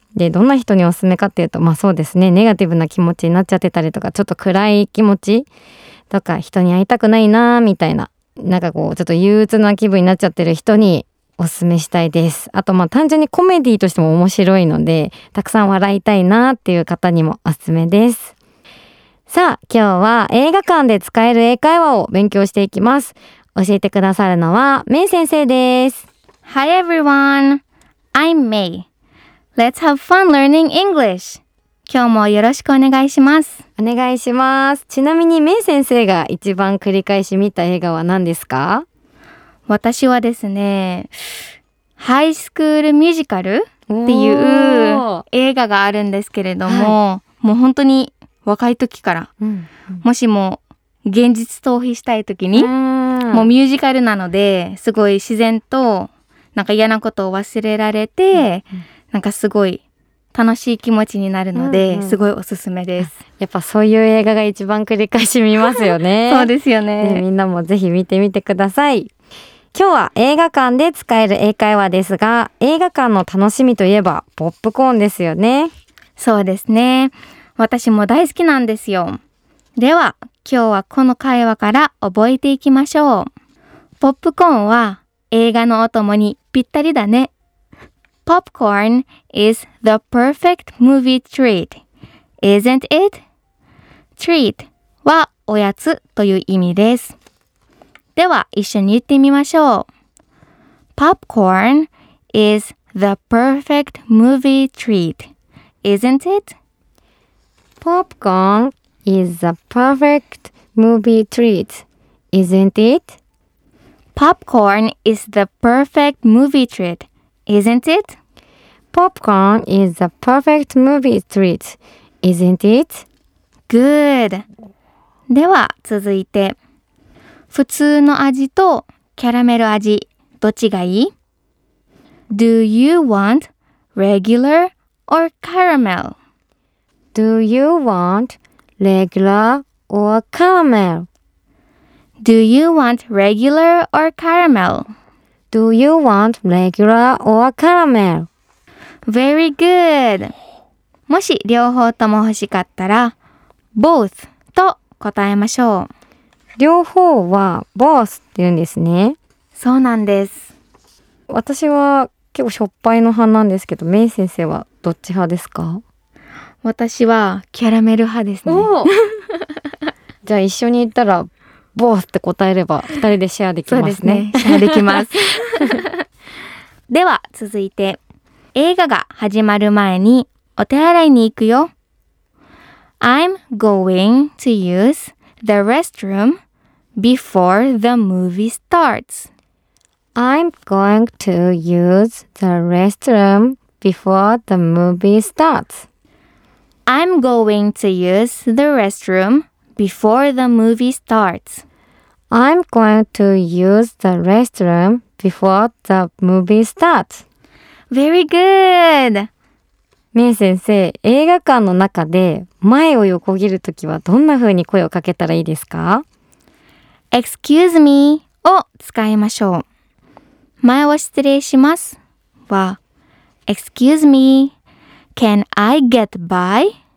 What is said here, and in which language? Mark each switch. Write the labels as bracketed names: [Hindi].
[Japanese] でどんな人におすすめかっていうと、まあそうですね、ネガティブな気持ちになっちゃってたりとか、ちょっと暗い気持ちとか、人に会いたくないなみたいな、なんかこうちょっと憂鬱な気分になっちゃってる人におすすめしたいです。あとまあ単純にコメディとしても面白いので、たくさん笑いたいなっていう方にもおすすめです。さあ今日は映画館で使える英会話を勉強していきます。教えてくださるのはメイ先生です。 [English] Hi everyone, I'm MayLet's have fun learning English. [Japanese] 今日もよろしくお願いします。お願いします。ちなみにメイ先生が一番繰り返し見た映画は何ですか？私はですね、ハイスクールミュージカルっていう映画があるんですけれども、はい、もう本当に若い時から、うんうん、もしも現実逃避したい時に、もうミュージカルなのですごい自然となんか嫌なことを忘れられて、うんうん、なんかすごい楽しい気持ちになるので、うんうん、すごいおすすめです。やっぱそういう映画が一番繰り返し見ますよねそうですよ ね、みんなもぜひ見てみてください。今日は映画館で使える英会話ですが、映画館の楽しみといえばポップコーンですよね。そうですね、私も大好きなんですよ。では今日はこの会話から覚えていきましょう。ポップコーンは映画のお供にぴったりだね。 [English] Popcorn is the perfect movie treat, isn't it? [Japanese] Treat はおやつという意味です。では一緒に言ってみましょう。 [English] Popcorn is the perfect movie treat, isn't it? Popcorn is the perfect movie treat, isn't it? Popcorn is the perfect movie treat, isn't it? Popcorn is the perfect movie treat, isn't it? Good! [Japanese] では続いて、普通の味とキャラメル味、どっちがいい？ [English] Do you want regular or caramel? Do you want regular or caramel? Do you want regular or caramel? Do you want regular or caramel? Very good. [Japanese] もし両方とも欲しかったら both と答えましょう。両方は both って言うんですね。そうなんです。私は結構しょっぱいの派なんですけど、メイ先生はどっち派ですか？私はキャラメル派ですね。おじゃあ一緒に行ったら both って答えれば二人でシェアできますね。そうですね、シェアできますでは続いて、映画が始まる前にお手洗いに行くよ。 [English] I'm going to use the restroom before the movie starts. I'm going to use the restroom before the movie starts. I'm going to use the restroom before the movie starts. I'm going to use the restroom before the movie starts. Very good! [Japanese] メイ先生、映画館の中で前を横切るときはどんな風に声をかけたらいいですか？ Excuse me を使いましょう。前を失礼しますは [English] Excuse me, can I get by?